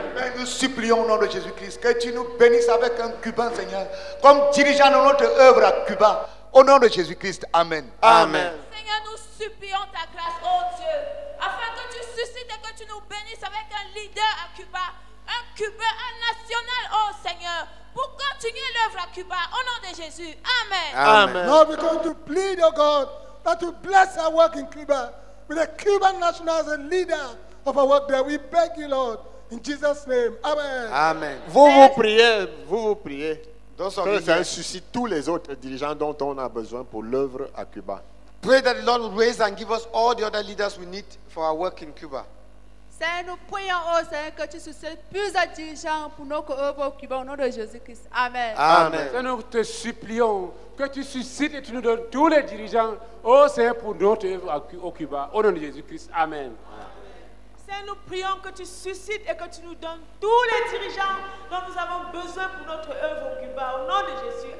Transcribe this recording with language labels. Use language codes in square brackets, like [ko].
[fr] Mais nous supplions au nom de Jésus-Christ que tu nous bénisses avec un Cubain, Seigneur, comme dirigeant de notre œuvre à Cuba. Au nom de Jésus-Christ, amen. Amen. Seigneur, nous supplions ta grâce, ô Dieu, afin que tu suscites et que tu nous bénisses avec un leader à Cuba, un Cubain, un national, ô Seigneur, pour continuer l'œuvre à Cuba. Au nom de Jésus, amen. Amen. [en] Lord, we're going to plead, oh God, that you bless our work in Cuba with a Cuban national as a leader of our work there. We beg you, Lord, in Jesus' name. Amen. Amen. [fr] Vous priez. Donc, que le Seigneur suscite tous les autres dirigeants dont on a besoin pour l'œuvre à Cuba. [en] Pray that the Lord will raise and give us all the other leaders we need for our work in Cuba. [fr] Seigneur, nous prions au Seigneur que tu suscites plus de dirigeants pour notre œuvre au Cuba au nom de Jésus-Christ. Amen. Amen. Seigneur, nous te supplions que tu suscites et tu nous donnes tous les dirigeants au Seigneur pour notre œuvre au Cuba au nom de Jésus-Christ. Amen. Amen. Seigneur, nous prions que tu suscites et que tu nous donnes tous les dirigeants dont nous avons besoin pour notre œuvre au Cuba au nom de Jésus.